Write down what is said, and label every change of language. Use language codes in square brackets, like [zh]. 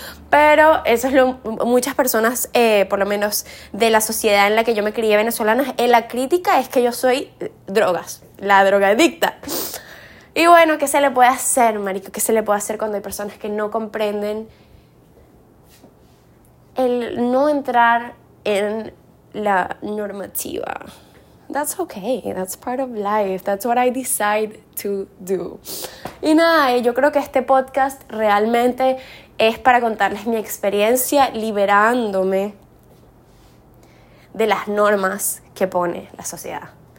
[es] Pero eso es lo, muchas personas, por lo menos de la sociedad en la que yo me crié, venezolanas, la crítica es que yo soy drogas, la drogadicta. Y bueno, ¿qué se le puede hacer, marico? ¿Qué se le puede hacer cuando hay personas que no comprenden el no entrar en la normativa? [en] That's okay, that's part of life, that's what I decide to do. [es] Y nada, yo creo que este podcast realmente es para contarles mi experiencia liberándome de las normas que pone la sociedad.